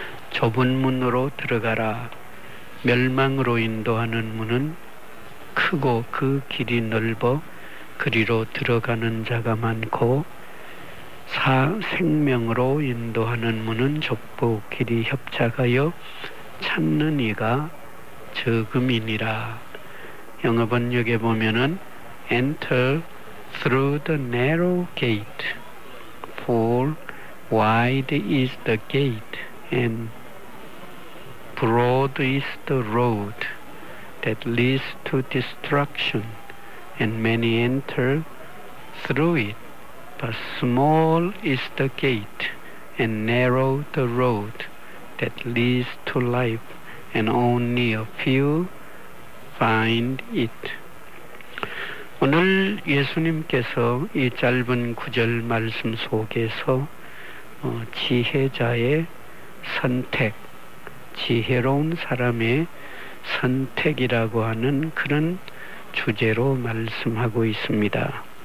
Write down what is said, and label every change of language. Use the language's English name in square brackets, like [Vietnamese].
[Korean] 좁은 문으로 들어가라. 멸망으로 인도하는 문은 크고 그 길이 넓어 그리로 들어가는 자가 많고 생명으로 인도하는 문은 좁고 길이 협착하여 찾는 이가 적음이니라. 영어 번역에 보면은 [English] Enter through the narrow gate, for wide is the gate and broad is the road that leads to destruction, and many enter through it. But small is the gate, and narrow the road that leads to life, and only a few find it. [Korean] 오늘 예수님께서 이 짧은 구절 말씀 속에서 지혜자의 선택, 지혜로운 사람의 선택이라고 하는 그런 주제로 말씀하고 있습니다.